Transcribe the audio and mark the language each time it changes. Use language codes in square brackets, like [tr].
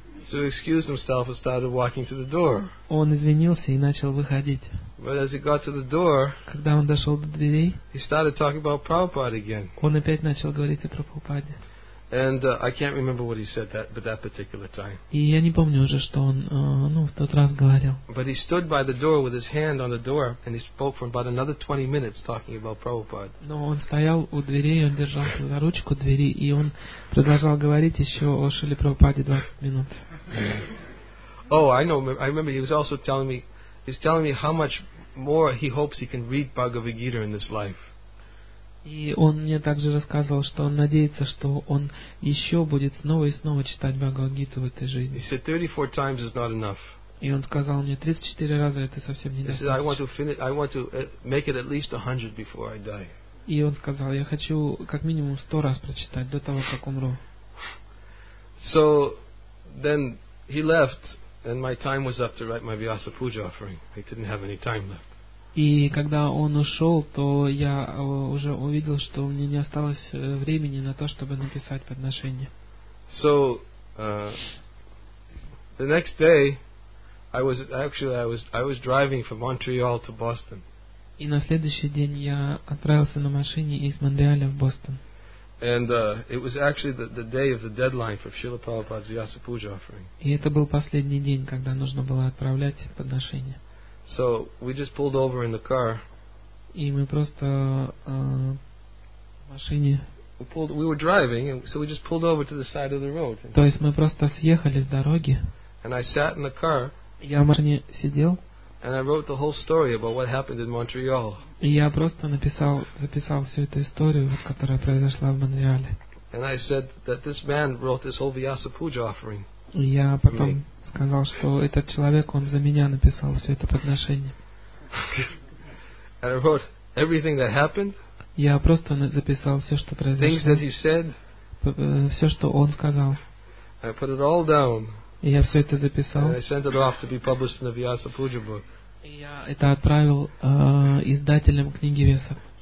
[ru] Он извинился и начал выходить. Когда он дошел до дверей, он опять начал говорить о Прабхупаде. [en] And I can't remember what he said that, but that particular time. [ru] И я не помню уже, что он, ну, в тот раз говорил. [en] But he stood by the door with his hand on the door, and he spoke for about another 20 minutes talking about Prabhupada. [ru] Но он стоял у двери, он держался за ручку двери, и он продолжал говорить еще о Шриле Прабхупаде 20 минут. [en] Oh, I know. I remember he was also telling me, he's telling me how much more he hopes he can read Bhagavad Gita in this life. [ru] И он мне также рассказывал, что он надеется, что он еще будет снова и снова читать Бхагавад-гиту в этой жизни. [en] He said 34 times is not enough. [ru] И он сказал мне, 34 раза это совсем недостаточно. [en] He said, I want to make it at least 100 before I die. [ru] И он сказал, я хочу как минимум 100 раз прочитать до того, как умру. [en] So then he left, and my time was up to write my Vyasa Puja offering. I didn't have any time left. [ru] И когда он ушел, то я уже увидел, что у меня не осталось времени на то, чтобы написать подношение. [en] So, the next day, I was driving from Montreal to Boston. [ru] И на следующий день я отправился на машине из Монреаля в Бостон. [en] And it was actually the day of the deadline for Srila Prabhupada's Vyasa Puja offering. [ru] И это был последний день, когда нужно было отправлять подношение. [en] So we just pulled over in the car. [ru] И мы просто в машине. [en] We were driving, so we just pulled over to the side of the road. [ru] То есть мы просто съехали с дороги. [en] And I sat in the car. [ru] Я в машине сидел. [en] And I wrote the whole story about what happened in Montreal. [ru] И я просто записал всю эту историю, которая произошла в Монреале. [en] And I said that this man wrote this whole Vyasa Puja offering. [ru] И я потом сказал, что этот человек, он за меня написал все это подношение. [en] And I wrote everything that happened. [ru] Я просто записал все, что произошло. [en] Things that he said. [ru] Все, что он сказал. [en] I put it all down. [ru] И я все это записал. [en] And I sent it off to be published in the Vyasa Puja book. [ru] И я это отправил издателям книги Веса.